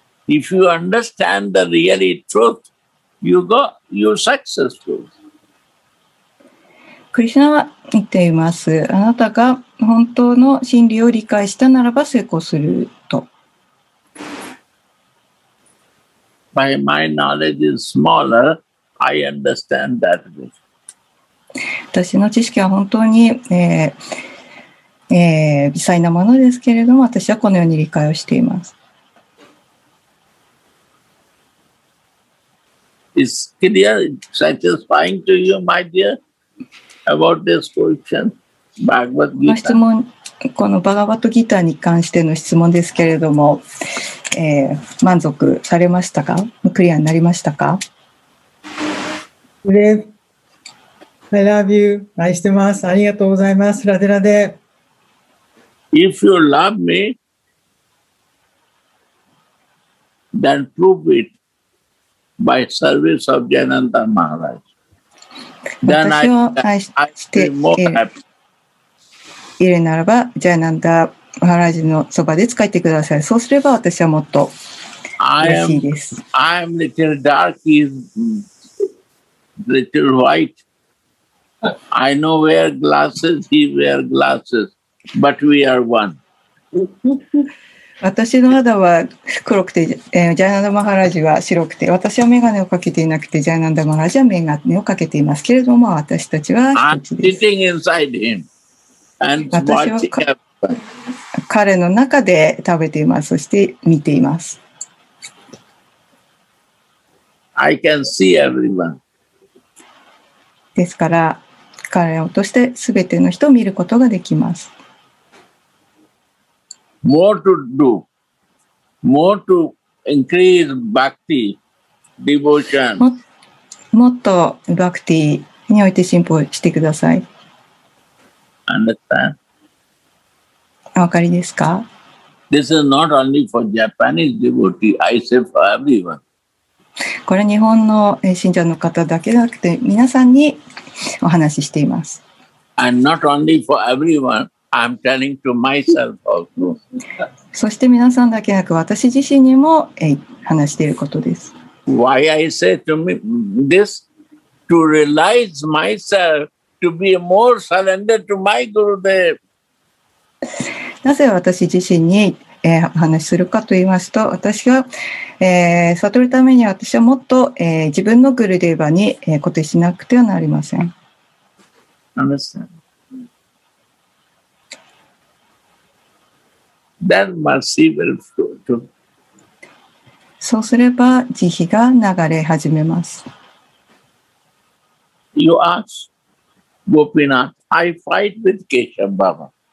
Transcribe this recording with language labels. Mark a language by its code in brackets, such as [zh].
[en] If you understand the really truth, you're successful. [ja] クリシュナは言っています。あなたが本当の真理を理解したならば成功すると。 [en] By my knowledge is smaller, I understand that. [ja] 私の知識は本当に、微細なものですけれども、私はこのように理解をしています。 [en] Is clear satisfying to you, my dear? About this question, Bhagavad Gita. [ja] 質問このバガバットギターに関しての質問ですけれども、満足されましたか？クリアになりましたか？ [en] I love you. [ja] 愛してます。ありがとうございます。ラデラデ。 [en] If you love me, then prove it by service of Jnananda Maharaj. [ja] 私を愛しているならば、ジャイナンダ・マハラジのそばで使ってください。そうすれば私はもっと嬉しいです。 [en] I am little dark, he's little white. I know wear glasses, he wear glasses, but we are one. [ja] 私の肌は黒くて、ジャイナンダマハラジは白くて、私はメガネをかけていなくて、ジャイナンダマハラジはメガネをかけていますけれども、私たちは一つです。私は彼の中で食べています。そして見ています。 [en] I can see everyone. [ja] ですから、彼を通して全ての人を見ることができます。 [en] More to do, more to increase bhakti, devotion. [ja] もっとバクティにおいて進歩してください。 [en] Understand? [ja] わかりですか? [en] This is not only for Japanese devotee, I say for everyone. [ja] これ日本の信者の方だけじゃなくて、皆さんにお話ししています。 [en] And not only for everyone. I'm telling to myself also. [ja] そして皆さんだけなく私自身にも話していることです。 [en] Why I say to me this? To realize myself to be more surrendered to my Gurudev. [ja] なぜ私自身に、話するかと言いますと、私が、悟るために私はもっと、自分のグルデーバに、固定しなくてはなりません。 [en] Understand? Then mercy will flow too. [ja] そうすれば慈悲が流れ始めます。 [en] You ask Gopinath, I fight with Keshav Baba.